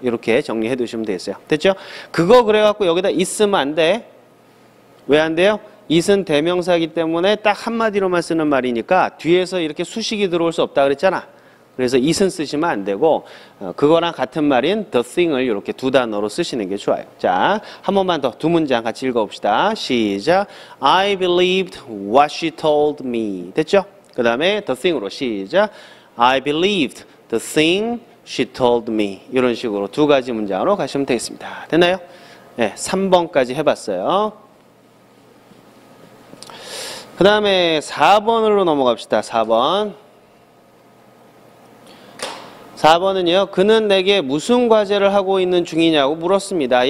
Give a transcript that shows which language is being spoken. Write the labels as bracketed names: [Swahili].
[Korean] 이렇게 정리해 두시면 되겠어요. 됐죠? 그거 그래갖고 여기다 있으면 안 돼. 왜 안 돼요? 있은 대명사이기 때문에 딱 한마디로만 쓰는 말이니까 뒤에서 이렇게 수식이 들어올 수 없다 그랬잖아. 그래서 it은 쓰시면 안 되고 그거랑 같은 말인 the thing을 이렇게 두 단어로 쓰시는 게 좋아요. 자, 한 번만 더 두 문장 같이 읽어봅시다. 시작. [English] I believed what she told me. [Korean] 됐죠? 그 다음에 the thing으로 시작. [English] I believed the thing she told me. [Korean] 이런 식으로 두 가지 문장으로 가시면 되겠습니다. 됐나요? 네, 3번까지 해봤어요. 그 다음에 4번으로 넘어갑시다. 4번. 4번은요. 그는 내게 무슨 과제를 하고 있는 중이냐고 물었습니다.